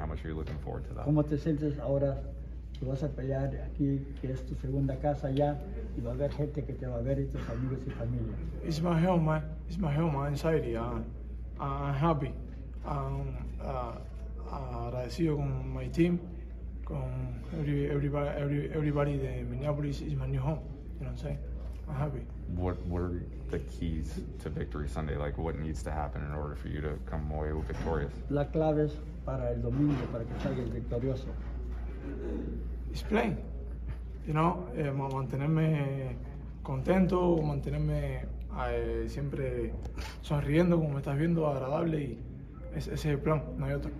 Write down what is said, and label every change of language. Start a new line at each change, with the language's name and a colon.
English: How much are you looking forward to that?
Spanish: ¿Cómo te sientes ahora que vas a pelear aquí, que es tu segunda casa allá? Y va a haber gente que te va a ver y tus amigos y familia.
English: It's my home, man. It's my home, my anxiety. I'm happy. I'm
Spanish: agradecido con
English: my team,
Spanish: con
English: everybody
Spanish: de Minneapolis.
English: It's my new home, you know what I'm saying? I'm happy. What are the keys to victory Sunday? Like, what needs to happen in order for you to come away victorious?
Spanish: La clave es para el domingo, para que salga el victorioso.
English: It's plain.
Spanish: Mantenerme contento, mantenerme siempre sonriendo, como me estás viendo, agradable, y ese es el plan, no hay otro.